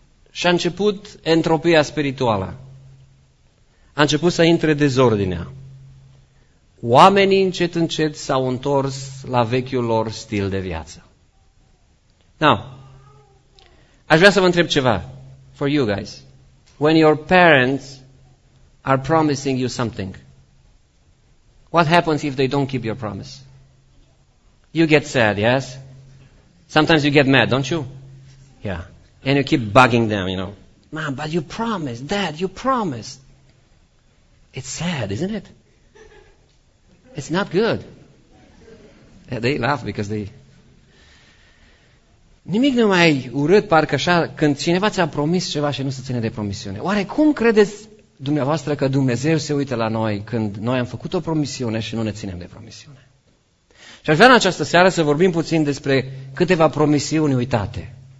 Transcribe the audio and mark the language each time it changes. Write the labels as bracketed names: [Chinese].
[Romanian] Și a început entropia spirituală. A început să intre dezordinea. Oamenii încet încet s-au întors la vechiul lor stil de viață. Now, aș vrea să vă întreb ceva, [English] for you guys. When your parents are promising you something, what happens if they don't keep your promise? You get sad, yes? Sometimes you get mad, don't you? Yeah. And you keep bugging them, you know. Mom, but you promised, Dad, you promised. It's sad, isn't it? It's not good. Yeah, they laugh because they... [Romanian] Nimic nu mai urât parcă așa când cineva ți-a promis ceva și nu se ține de promisiune. Oare cum credeți dumneavoastră că Dumnezeu se uită la noi când noi am făcut o promisiune și nu ne ținem de promisiune? Și aș vrea în această seară să vorbim puțin despre câteva promisiuni uitate.